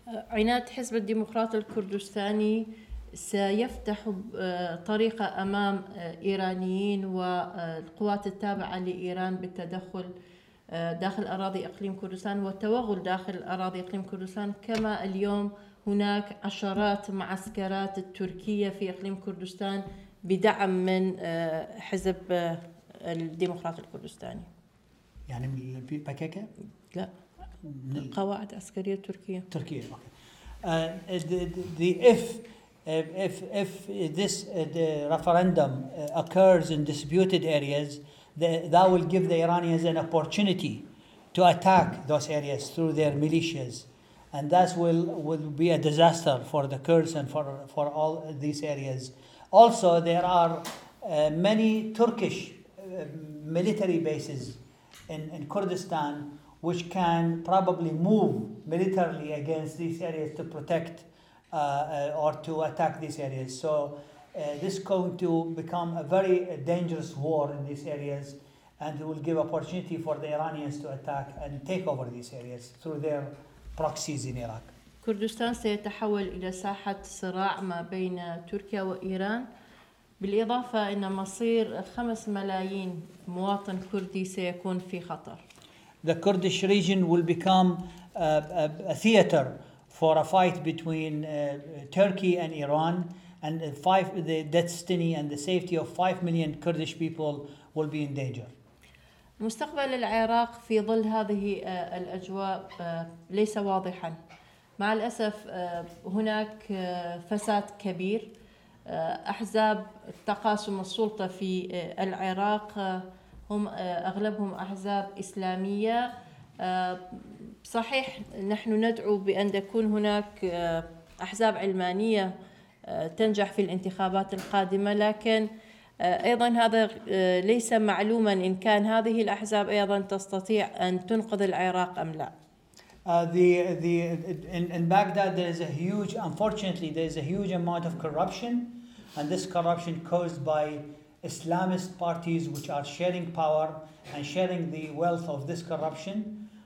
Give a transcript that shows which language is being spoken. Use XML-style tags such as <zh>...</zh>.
<ar>عناد حزب الديمقراط الكردستاني سيفتح طريقة أمام إيرانيين والقوات التابعة لإيران بالتدخل داخل أراضي إقليم كردستان والتوغل داخل أراضي إقليم كردستان كما اليوم هناك عشرات معسكرات التركية في إقليم كردستان بدعم من حزب الديمقراطي الكردستاني. يعني من البكاكا؟ لا من القواعد العسكرية التركية. تركيا.</ar> <en>If this the referendum occurs in disputed areas, that will give the Iranians an opportunity to attack those areas through their militias, and that will be a disaster for the Kurds and for all these areas. Also, there are many Turkish military bases in Kurdistan, which can probably move militarily against these areas to protect or to attack these areas. So this is going to become a very dangerous war in these areas, and it will give opportunity for the Iranians to attack and take over these areas through their proxies in Iraq.</en> <ar>كردستان سيتحول إلى ساحة صراع ما بين تركيا وإيران. بالإضافة إن مصير 5 million مواطن كردي سيكون في خطر.</ar> <en>The Kurdish region will become a theater for a fight between Turkey and Iran, and the destiny and the safety of 5 million Kurdish people will be in danger.</en> <ar>مستقبل العراق في ظل هذه الأجواء ليس واضحا. مع الأسف هناك فساد كبير. أحزاب تقاسم السلطة في العراق هم أغلبهم أحزاب إسلامية. صحيح نحن ندعو بأن تكون هناك أحزاب علمانية تنجح في الانتخابات القادمة، لكن أيضا هذا ليس معلوما إن كان هذه الأحزاب أيضا تستطيع أن تنقذ العراق أم لا.</ar> <en>In Baghdad there is a huge, unfortunately there is a huge amount of corruption, and this corruption caused by Islamist parties which are sharing power and sharing the wealth of this corruption.</en>